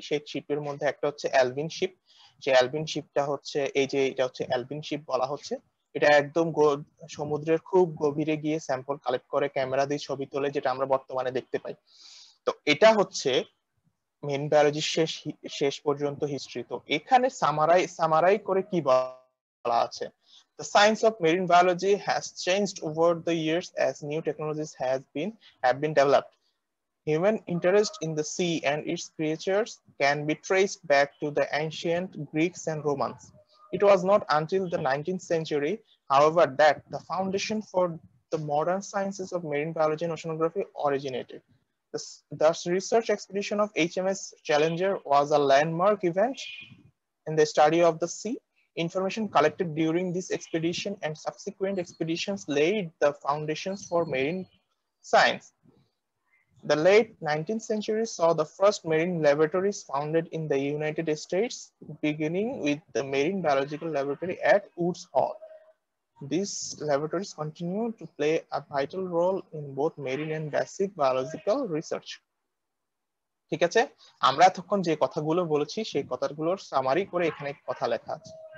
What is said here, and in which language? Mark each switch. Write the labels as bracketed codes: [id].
[bn] সেই শিপের মধ্যে একটা হচ্ছে অ্যালবিন শিপ। যে অ্যালবিন শিপটা হচ্ছে এই যে, এটা হচ্ছে অ্যালবিন শিপ বলা হচ্ছে। এটা একদম সমুদ্রের খুব গভীরে গিয়ে স্যাম্পল কালেক্ট করে, ক্যামেরা দিয়ে ছবি তোলে, যেটা আমরা বর্তমানে দেখতে পাই। তো এটা হচ্ছে মেরিন বায়োলজির শেষ শেষ পর্যন্ত হিস্ট্রি। তো এখানে সামারাই সামারাই করে কি বলা আছে, [en] The science of marine biology has changed over the years as new technologies have been developed. Human interest in the sea and its creatures can be traced back to the ancient Greeks and Romans. It was not until the 19th century However, that the foundation for the modern sciences of marine biology and oceanography originated. This research expedition of HMS Challenger was a landmark event in the study of the sea. Information collected during this expedition and subsequent expeditions laid the foundations for marine science. The late 19th century saw the first marine laboratories founded in the United States, beginning with the Marine Biological Laboratory at Woods Hole. These laboratories continue to play a vital role in both marine and basic biological research. [bn] ঠিক আছে, আমরা এতক্ষণ যে কথাগুলো বলেছি সেই কথাগুলোর summary করে এখানে কথা লেখা আছে।